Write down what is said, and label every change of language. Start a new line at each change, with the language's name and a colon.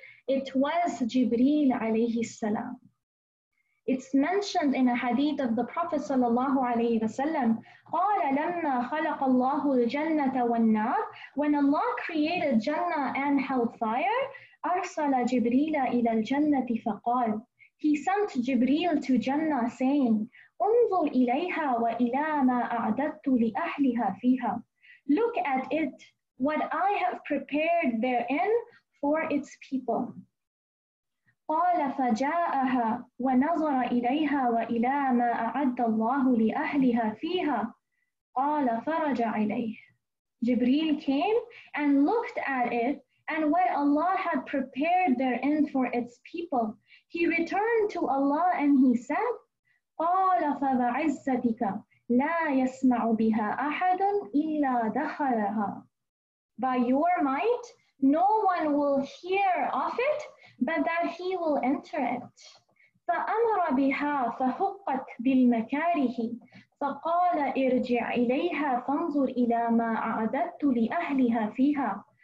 English: It was Jibreel alayhi salam. It's mentioned in a hadith of the Prophet sallallahu alayhi wa sallam,
Arabic: قَالَ لَمَّا خَلَقَ اللَّهُ الْجَنَّةَ وَالنَّارِ.
English: When Allah created Jannah and Hellfire,
Arabic: أَرْسَلَ جِبْرِيلَ إِلَى الْجَنَّةِ فَقَالَ.
English: He sent Jibreel to Jannah saying,
Arabic: أُنظُرْ إِلَيْهَا وَإِلَى مَا أَعْدَدْتُ لِأَهْلِهَا فِيهَا.
English: Look at it, what I have prepared therein for its people.
Arabic: قال فجاءها ونظر إليها وإلى ما أعد الله لأهلها فيها. قال فرج عليه.
English: Jibreel came and looked at it and what Allah had prepared therein for its people. He returned to Allah and he said,
Arabic: قال فبعزتك لا يسمع بها أحد إلا دخلها.
English: By your might, no one will hear of it, but that he will enter it.
Arabic: فَأَمَرَ بِهَا فَحُقَّتْ بِالْمَكَارِهِ فَقَالَ إِرْجِعْ إِلَيْهَا فَانْظُرْ إِلَى مَا أَعْدَدْتُ لِأَهْلِهَا فِيهَا.